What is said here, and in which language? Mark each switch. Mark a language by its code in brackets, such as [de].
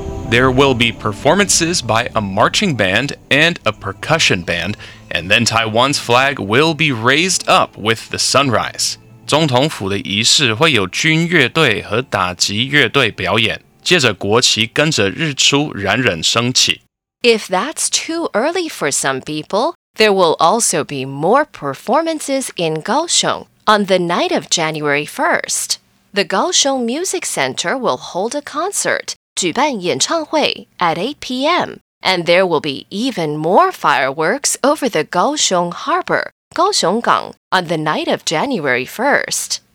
[en] There will be performances by a marching band and a percussion band, and then Taiwan's flag will be raised up with the sunrise. [zh] 总统府的仪式会有军乐队和打击乐队表演，接着国旗跟着日出冉冉升起。 [en] If that's too early for some people, there will also be more performances in Kaohsiung on the night of January 1st. The Kaohsiung Music Center will hold a concert. [zh] 举办演唱会 [en] at 8 p.m. And there will be even more fireworks over the Kaohsiung Harbor, Kaohsiung Gang, on the night of January 1st.